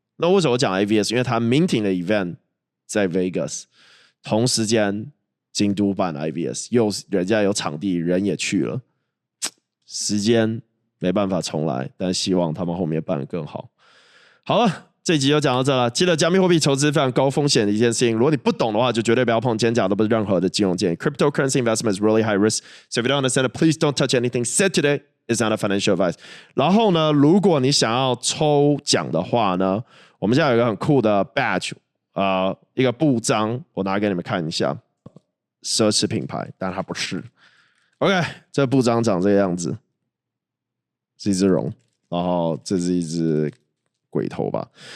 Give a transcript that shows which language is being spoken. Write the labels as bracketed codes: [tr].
[zh] 那为什么我讲 AVS？ 因为他 Minting 的 Event 在 Vegas， 同时间京都办 IVS， 又人家有场地，人也去了，时间没办法重来，但希望他们后面办得更好。好了，这集就讲到这了。记得加密货币投资非常高风险的一件事情，如果你不懂的话，就绝对不要碰。今天讲的不是任何的金融建议。 [en] Cryptocurrency investment is really high risk, so if you don't understand it, please don't touch anything said today. It's not a financial advice. [zh] 然后呢，如果你想要抽奖的话呢，我们现在有一个很酷的 badge， 一个布章，我拿给你们看一下。奢侈品牌，但它不是。OK， 这布章长这个样子，是一只龙，然后这是一只鬼头吧。